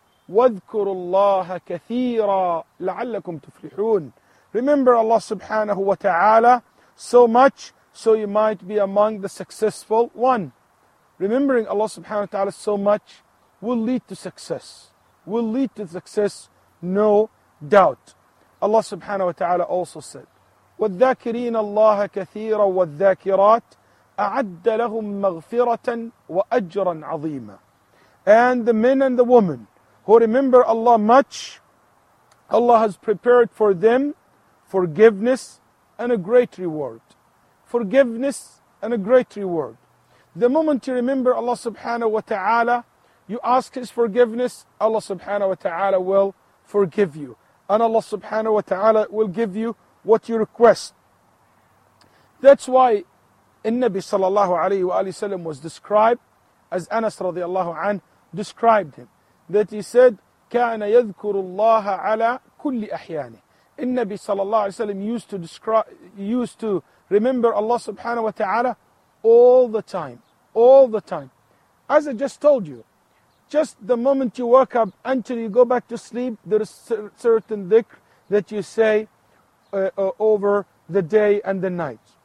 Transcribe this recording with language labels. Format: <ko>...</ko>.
<ar>وَذْكُرُ اللَّهَ كَثِيرًا لَعَلَّكُمْ تُفْلِحُونَ.</ar> <en>Remember Allah subhanahu wa ta'ala so much so you might be among the successful one. Remembering Allah subhanahu wa ta'ala so much will lead to success. Will lead to success, no doubt. Allah subhanahu wa ta'ala also said,</en> <ar>وَذَّاكِرِينَ اللَّهَ كَثِيرًا وَالذَّاكِرَاتِ أَعَدَّ لَهُمْ مَغْفِرَةً وَأَجْرًا عَظِيمًا.</ar> <en>And the men and the women who remember Allah much, Allah has prepared for them forgiveness and a great reward. Forgiveness and a great reward. The moment you remember Allah subhanahu wa ta'ala, you ask His forgiveness, Allah subhanahu wa ta'ala will forgive you. And Allah subhanahu wa ta'ala will give you what you request. That's why</en> <ar>النبي صلى الله عليه وآله وسلم</ar> <en>was described as Anas</en> <ar>رضي الله عنه</ar> <en>described him. That he said,</en> <ar>كان يذكر الله على كل أحيانه. النبي صلى الله عليه وسلم</ar> <en>used to remember Allah subhanahu wa ta'ala all the time. All the time. As I just told you, just the moment you wake up until you go back to sleep, there is certain dhikr that you say over the day and the night.</en>